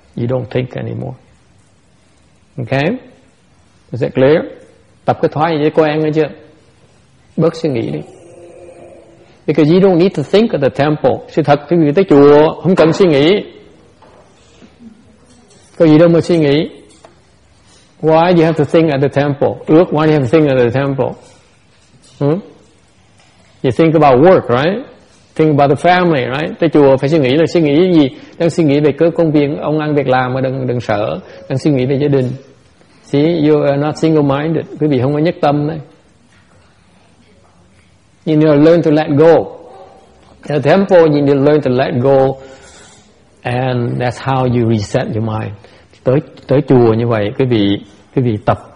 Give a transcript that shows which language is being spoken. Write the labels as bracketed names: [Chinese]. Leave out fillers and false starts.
[English] You don't think anymore. Okay? Is that clear? [Vietnamese] Tập cái thói với cô em nghe chưa? Bớt suy nghĩ đi. [English] Because you don't need to think at the temple. [Vietnamese] Sự thật thì người tới chùa không cần suy nghĩ. Có gì đâu mà suy nghĩ. [English] Why do you have to think at the temple? Look, why do you have to think at the temple? Hmm? You think about work, right? Think about the family, right? [Vietnamese] Tới chùa phải suy nghĩ là suy nghĩ cái gì? Đang suy nghĩ về cái công việc, ông ăn việc làm mà đừng sợ. Đang suy nghĩ về gia đình. [English] See, you are not single-minded. [Vietnamese] Quý vị không có nhất tâm đấy. [English] You need to learn to let go. At the temple, you need to learn to let go. And that's how you reset your mind. [Vietnamese] Tới chùa như vậy, quý vị tập